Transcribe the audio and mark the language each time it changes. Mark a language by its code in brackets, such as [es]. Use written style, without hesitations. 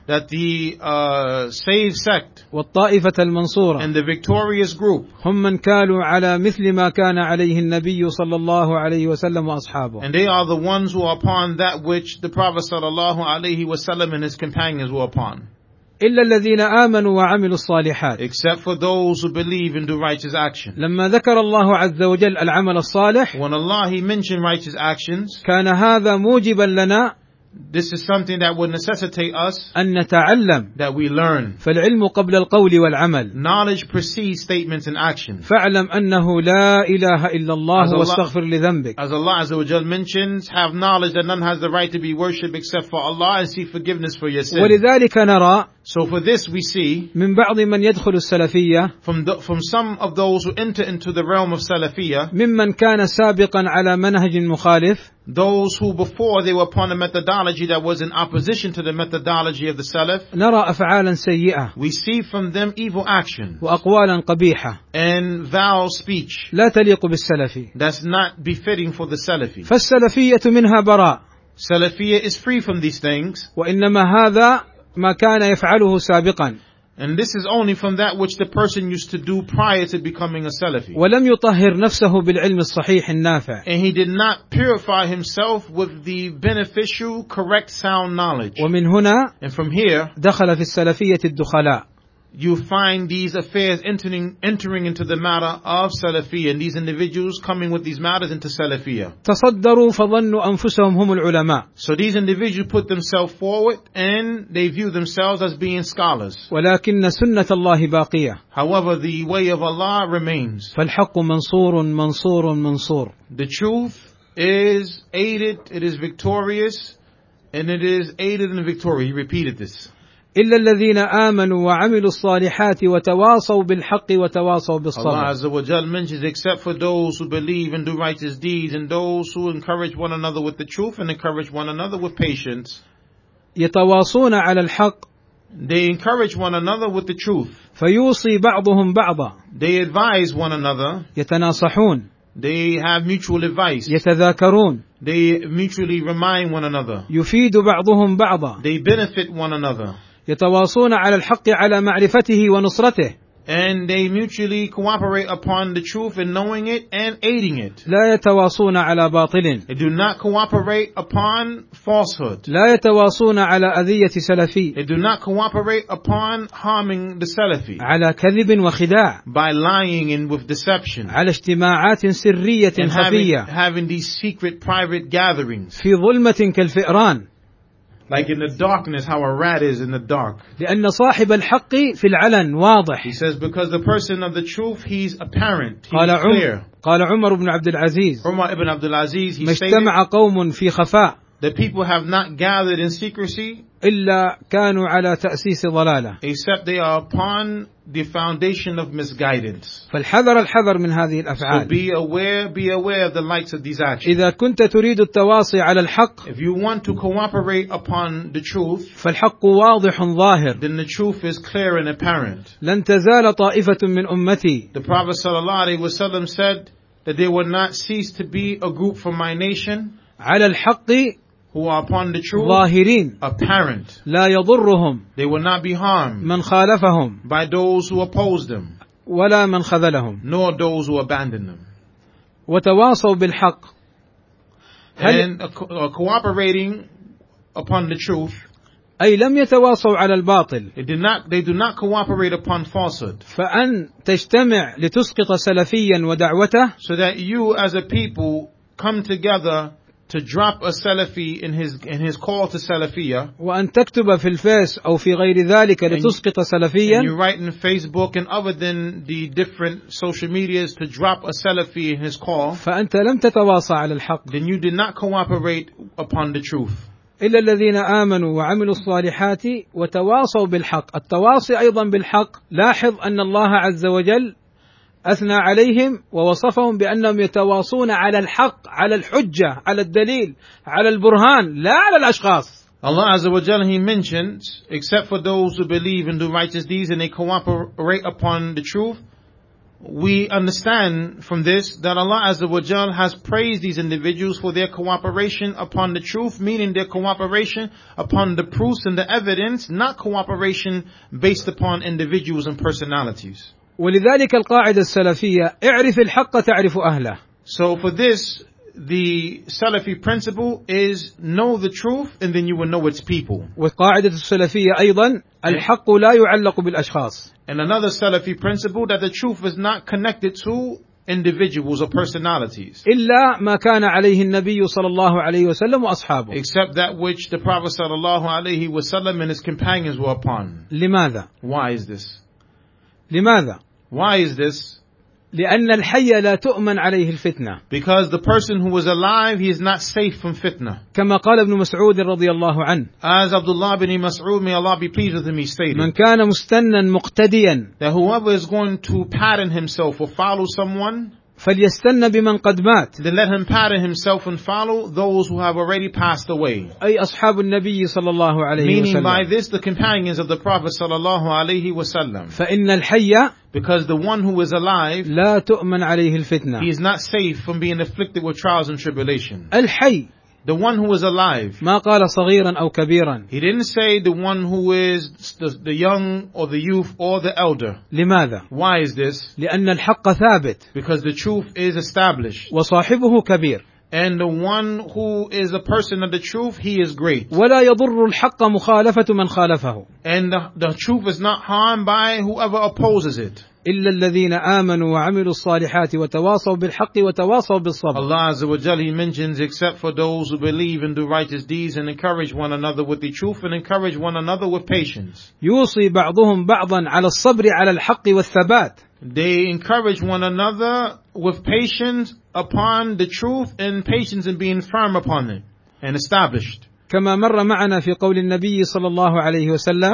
[en] That the saved sect. [ar] والطائفة المنصورة. [en] And the victorious group. [ar] هم من كانوا على مثل ما كان عليه النبي صلى الله عليه وسلم وأصحابه. [en] And they are the ones who are upon that which the Prophet [ar] صلى الله عليه وسلم [en] and his companions were upon. [ar] إلا الذين آمنوا وعملوا الصالحات. [en] Except for those who believe and do righteous action. [ar] لما ذكر الله عز وجل العمل الصالح. [en] When Allah He mentioned righteous actions. [ar] كان هذا موجبا لنا. [en] This is something that would necessitate us. [ar] أن نتعلم. [en] That we learn. [ar] فالعلم قبل القول والعمل. [en] Knowledge precedes statements and actions. [ar] فاعلم أنه لا إله إلا الله واستغفر لذنبك. [en] As Allah [ar] Azza wa Jalla [en] mentions, have knowledge that none has the right to be worshipped except for Allah and seek forgiveness for your sins. [ar] ولذلك نرى. [en] So for this we see. [ar] من بعض من يدخل السلفية. [en] From some of those who enter into the realm of Salafiyya. [ar] ممن كان سابقا على منهج مخالف. [en] Those who before they were upon a methodology that was in opposition to the methodology of the Salaf. [ar] نرى أفعالا سيئة. [en] We see from them evil actions. [ar] وأقوالا قبيحة. [en] And vile speech. [ar] لا تليق بالسلفي. [en] That's not befitting for the Salafi. [ar] فالسلفية منها براء. [en] Salafiyya is free from these things. [ar] وإنما هذا ما كان يفعله سابقا. [en] And this is only from that which the person used to do prior to becoming a Salafi. [ar] ولم يطهر نفسه بالعلم الصحيح النافع. [en] And he did not purify himself with the beneficial, correct, sound knowledge. [ar] ومن هنا. [en] And from here. [ar] دخل في السلفية الدخلاء. [en] You find these affairs entering into the matter of Salafiyya, and these individuals coming with these matters into Salafiyya. [ar] تصدروا فظنوا أنفسهم هم العلماء. [en] So these individuals put themselves forward, and they view themselves as being scholars. [ar] ولكن سنة الله باقية. [en] However, the way of Allah remains. [ar] فالحق منصور منصور منصور. [en] The truth is aided, it is victorious, and it is aided in victory. He repeated this. [ar] إلا الذين آمنوا وعملوا الصالحات وتواصوا بالحق وتواصوا بالصبر. [en] Allah [ar] Azza wa Jalla [en] mentions, except for those who believe and do righteous deeds and those who encourage one another with the truth and encourage one another with patience. [ar] يتواصون على الحق. [en] They encourage one another with the truth. [ar] فيوصي بعضهم بعضا. [en] They advise one another. [ar] يتناصحون. [en] They have mutual advice. [ar] يتذاكرون. [en] They mutually remind one another. [ar] يفيد بعضهم بعضا. [en] They benefit one another. [ar] يتواصون على الحق على معرفته ونصرته. [en] And they mutually cooperate upon the truth in knowing it and aiding it. [ar] لا يتواصون على باطل. [en] They do not cooperate upon falsehood. [ar] لا يتواصون على أذية سلفي. [en] They do not cooperate upon harming the Salafi. [ar] على كذب وخداع. [en] By lying and with deception. [ar] على اجتماعات سرية خفية. [en] Having these secret private gatherings. [ar] في ظلمة كالفئران. [en] Like in the darkness, how a rat is in the dark. [ar] لأن صاحب الحق في العلن واضح. [en] He says because the person of the truth, he's apparent. He's [ar] قال [en] clear. [ar] عمر قال عمر بن عبد العزيز. عمر بن عبد العزيز. ما اجتمع قوم في خفاء. [en] The people have not gathered in secrecy. [ar] إلا كانوا على تأسيس ضلالة. [en] Except they are upon the foundation of misguidance. [ar] فالحذر الحذر من هذه الأفعال. [en] So be aware of the likes of these actions. [ar] إذا كنت تريد التواصي على الحق. [en] If you want to cooperate upon the truth. [ar] فالحق واضح ظاهر. [en] Then the truth is clear and apparent. [ar] لن تزال طائفة من أمتي. [en] The Prophet [ar] صلى الله عليه وسلم [en] said that they will not cease to be a group from my nation. [ar] على الحق. [en] Who are upon the truth, [ar] ظاهرين, [en] apparent. [ar] لا يضرهم, [en] they will not be harmed, [ar] من خالفهم, [en] by those who oppose them, [ar] ولا من خذلهم, [en] nor those who abandon them. [ar] وتواصوا بالحق. [en] And cooperating upon the truth, [ar] أي لم يتواصوا على الباطل. [en] They do not cooperate upon falsehood. [ar] فأن تجتمع لتسقط سلفيا ودعوته. [en] So that you as a people come together to drop a Salafi in his call to Salafiyya. [ar] وأن تكتب في الفيس أو في غير ذلك لتسقط سلفيا. [en] And you write in Facebook and other than the different social medias to drop a Salafi in his call. [ar] فأنت لم تتواصى على الحق. [en] Then you did not cooperate upon the truth. [ar] إلا الذين آمنوا وعملوا الصالحات وتواصوا بالحق. التواصي أيضا بالحق. لاحظ أن الله عز وجل أثنى عليهم ووصفهم بأنهم يتواصون على الحق على الحجة على الدليل على البرهان لا على الأشخاص. [en] Allah [ar] Azza wa Jalla, [en] He mentions, except for those who believe and do righteous deeds and they cooperate upon the truth, we understand from this that Allah Azza wa Jalla has praised these individuals for their cooperation upon the truth, meaning their cooperation upon the proofs and the evidence, not cooperation based upon individuals and personalities. [ar] ولذلك القاعدة السلفية اعرف الحق تعرف أهله. [en] So for this, the Salafi principle is know the truth and then you will know its people. [ar] والقاعدة السلفية أيضا الحق لا يعلق بالأشخاص. [en] And another Salafi principle that the truth is not connected to individuals or personalities. [ar] إلا ما كان عليه النبي صلى الله عليه وسلم وأصحابه. [en] Except that which the Prophet [ar] صلى الله عليه وسلم [en] and his companions were upon. [ar] لماذا؟ [en] Why is this? [ar] لماذا؟ [en] Why is this? [ar] لأن الحي لا تؤمن عليه الفتنة. [en] Because the person who was alive, he is not safe from fitna. [ar] كما قال ابن مسعود رضي الله عنه. [en] As Abdullah bin Mas'ud, may Allah be pleased with him, he stated. [ar] من كان مستنًا مقتديًا. [en] That whoever is going to pattern himself or follow someone. [ar] فليستن بمن قد مات. [en] Then let him pattern himself and follow those who have already passed away. [ar] أي أصحاب النبي صلى الله عليه [en] Meaning [ar] وسلم. [en] Meaning by this the companions of the Prophet [ar] صلى الله عليه وسلم. فإن الحي. [en] Because the one who is alive. [ar] لا تؤمن عليه الفتنة. [en] He is not safe from being afflicted with trials and tribulation. [ar] الحي. [en] The one who is alive. [ar] ما قال صغيرا أو كبيرا. [en] He didn't say the one who is the young or the youth or the elder. [ar] لماذا? [en] Why is this? [ar] لأن الحق ثابت. [en] Because the truth is established. [ar] وصاحبه كبير. [en] And the one who is a person of the truth, he is great. [ar] ولا يضر الحق مخالفة من خالفه. [en] And the truth is not harmed by whoever opposes it. [ar] إلا الذين آمنوا وعملوا الصالحات وتواصوا بالحق وتواصوا بالصبر. [en] Allah [ar] Azza wa Jalla, [en] He mentions, except for those who believe and do righteous deeds and encourage one another with the truth and encourage one another with patience. [ar] يوصي بعضهم بعضا على الصبر على الحق والثبات. [en] They encourage one another with patience upon the truth and patience in being firm upon it and established. [ar] كما مر معنا في قول النبي صلى الله عليه وسلم.